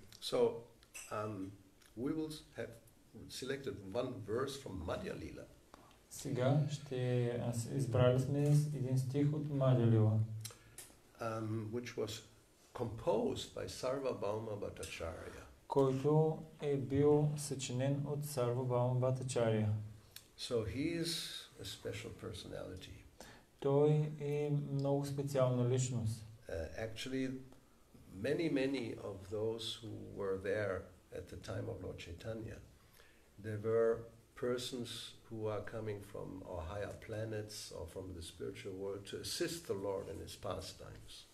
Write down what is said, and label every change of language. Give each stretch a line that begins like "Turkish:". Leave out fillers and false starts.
English: So we will have selected one verse from Madhya Lila.
Bulgarian: Сега ще избрали сме един стих от Мадхялила,
English: Which was composed by Sarva Bhauma Bhattacharya.
Bulgarian: Който е бил съчинен от Сарва Бхаума Бхаттачарья.
English: So he is a special personality.
Bulgarian: Той е много специална личност.
English: Actually, many of those who were there at the time of Lord Chaitanya, there were persons who are coming from our higher planets or from the spiritual world to assist the Lord in his pastimes.